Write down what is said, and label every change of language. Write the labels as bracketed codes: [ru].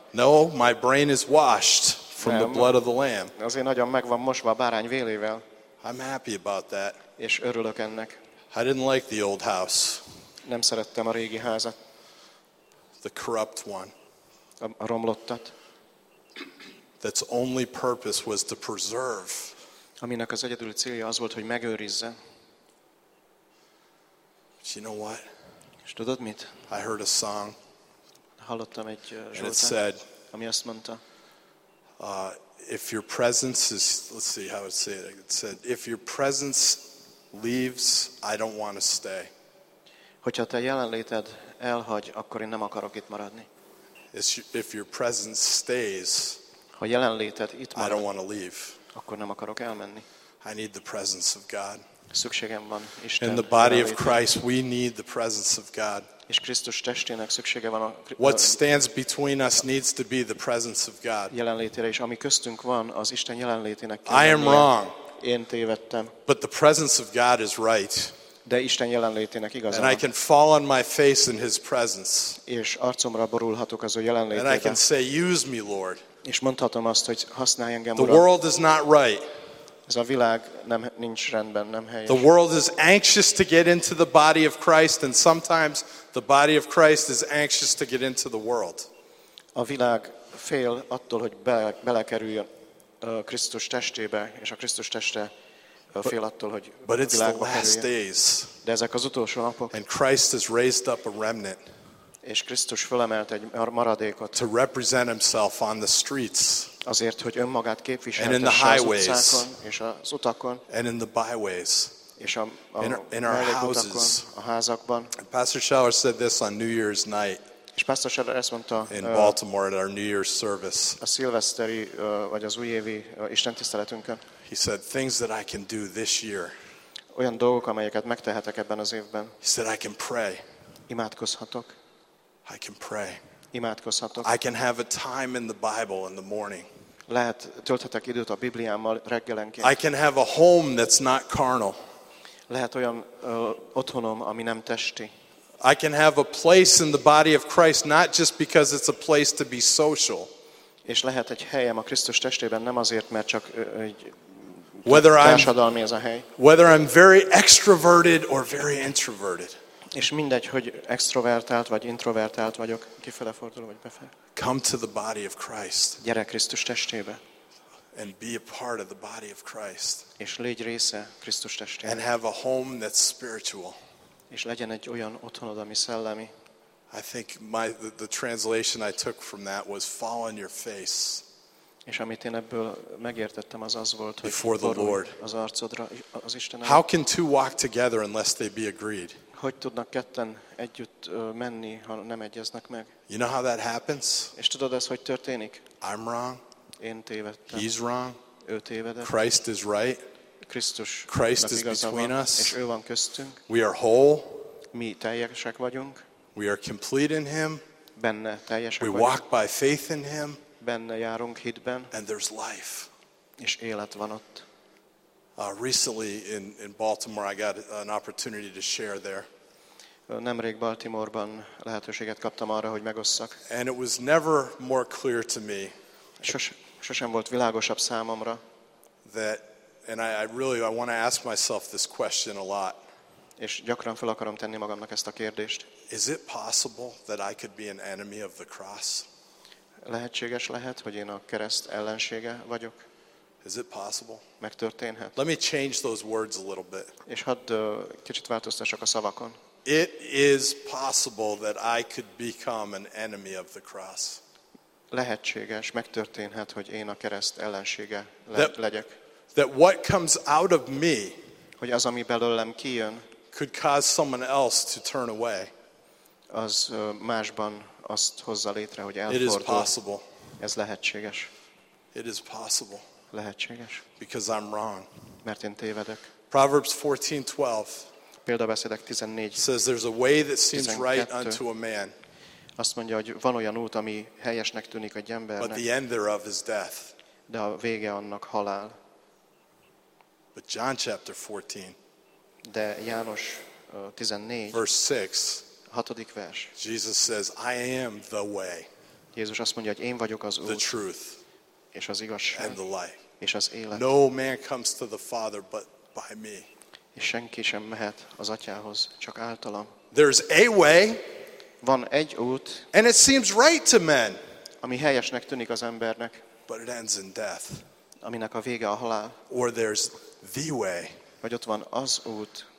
[en] No, my brain is washed from the blood of the lamb. [hu] Az én agyam meg van mosva a bárány vérével. [en] I'm happy about that. [hu] És örülök ennek. [en] I didn't like the old house. [hu] Nem szerettem a régi házat. [en] The corrupt one. [hu] A romlottat. [en] That's only purpose was to preserve. [hu] Aminek az egyedül célja az volt, hogy megőrizze. [en] You know what? [hu] És tudod mit? [en] I heard a song. [hu] Hallottam egy zsoltát, ami azt mondta. [en] If your presence is, let's see how it said it. It said, if your presence leaves, I don't want to stay. [hu] Hogyha te jelenléted elhagy, akkor én nem akarok itt maradni. [en] If your presence stays, [hu] ha jelenléted itt marad, [en] I don't want to leave. [hu] Akkor nem akarok elmenni. [en] I need the presence of God. [hu] Szükségem van Isten. [en] In the body of Christ, we need the presence of God. [hu] És Krisztus testének szüksége van a. [en] What stands between us needs to be the presence of God. [hu] Jelenlétére és ami köztünk van, az Isten jelenlétének. [en] I am wrong. [hu] Én tévedtem. [en] But the presence of God is right. [hu] De Isten jelenlétének igaza. [en] And I can fall on my face in His presence. [hu] És arcomra borulhatok az ő jelenlétére. [en] And I can say, "Use me, Lord." [hu] És mondhatom azt, hogy használj engem, Uram. [en] The world is not right. [hu] Ez a világ nem nincs rendben, nem helyes. [en] The world is anxious to get into the body of Christ and sometimes the body of Christ is anxious to get into the world. [hu] A világ fél attól, hogy belekerüljön Krisztus testébe, és a Krisztus teste fél attól, hogy [en] but it's [hu] a világba [en] the last days. [hu] De ezek az utolsó napok. [en] And Christ has raised up a remnant. [hu] És Krisztus fölemelt egy maradékot. [en] To represent himself on the streets. [hu] Azért, hogy önmagát képviselhesse az utcákon és az utakon. [en] And in the byways. [hu] És a mellékutakon, a házakban. [en] And Pastor Schaller said this on New Year's night. [hu] És Pastor Schaller ezt mondta [en] in Baltimore at our New Year's service. [hu] A szilveszteri vagy az újévi istentiszteletünkön. [en] He said things that I can do this year. [hu] olyan dolgok, amelyeket megtehetek ebben az évben. [en] He said, I can pray. [hu] Imádkozhatok. [en] I can pray. [hu] Imádkozhatok. [en] I can have a time in the Bible in the morning. [hu] Lehet, tölthetek időt a Bibliámmal reggelenként. [en] I can have a home that's not carnal. [hu] Lehet olyan otthonom, ami nem testi. [en] I can have a place in the body of Christ not just because it's a place to be social. [hu] És lehet egy helyem a Krisztus testében nem azért, mert csak egy társadalmi ez a hely. [en] Whether I'm very extroverted or very introverted. [hu] És mindegy, hogy extrovertált vagy introvertált vagyok, kifele fordulok vagy befele. [en] Come to the body of Christ. [hu] Gyere Krisztus testébe. [en] And be a part of the body of Christ. [hu] És légy része Krisztus testének. [en] And have a home that's spiritual. [hu] És legyen egy olyan otthonod, ami szellemi. [en] I think the translation I took from that was fall on your face. [hu] És amit én ebből megértettem, az az volt, hogy borulj az arcodra az Istennel. [en] How can two walk together unless they be agreed? [hu] Hogy tudnak ketten együtt menni, ha nem egyeznek meg? [en] You know how that happens? [hu] És tudod ez, hogy történik? [en] I'm wrong. [hu] Én tévedtem. [en] He's wrong. [hu] Ő tévedett. [en] Christ is right. [hu] Krisztus. [en] Christ is between us. [hu] És ő van köztünk. [en] We are whole. [hu] Mi teljesek vagyunk. [en] We are complete in him. [hu] Benne teljesek vagyunk. [en] We walk by faith in him. [hu] Benne járunk hitben. [en] And there's life. [hu] És élet van ott. [en] Recently in Baltimore I got an opportunity to share there. [hu] Nemrég Baltimoreban lehetőséget kaptam arra, hogy megosszak. [en] And it was never more clear to me. [hu] Sosem volt világosabb számomra. [en] That and I want to ask myself this question a lot. [hu] És gyakran fel akarom tenni magamnak ezt a kérdést. [en] Is it possible that I could be an enemy of the cross? [hu] Lehetséges lehet, hogy én a kereszt ellensége vagyok. [en] Is it possible? [hu] Megtörténhet. [en] Let me change those words a little bit. [hu] És hadd kicsit változtassak a szavakon. [en] It is possible that I could become an enemy of the cross. [hu] Lehetséges, megtörténhet, hogy én a kereszt ellensége legyek. [en] That what comes out of me, [hu] hogy az, ami belőlem kijön, [en] could cause someone else to turn away. [hu] Az másban azt hozza létre, hogy elfordul. [en] It is possible. [hu] Ez lehetséges. [en] It is possible. [hu] Lehetséges. [en] Because I'm wrong. [hu] Mert én tévedek. [en] Proverbs 14:12. [hu] Példabeszédek 14. [en] Says there's a way that seems right unto a man. [hu] Azt mondja, hogy van olyan út, ami helyesnek tűnik egy embernek. [en] But the end thereof is death. [hu] De a vége annak halál. [en] But John chapter 14. [hu] De János 14. [en] Verse 6. [hu] Hatodik vers. [en] Jesus says, I am the way. [hu] Jézus azt mondja, hogy én vagyok az út. [en] The truth. [hu] És az igazság. [en] And the light. [hu] És az élet. [en] No man comes to the Father but by me. [hu] És senki sem mehet az atyához, csak általam. [en] There's a way. [hu] Van egy út. [en] And it seems right to men. [hu] Ami helyesnek tűnik az embernek. [en] But it ends in death. [hu] Aminek a vége a halál. [en] Or there's the way. [hu] Vagy ott van az út.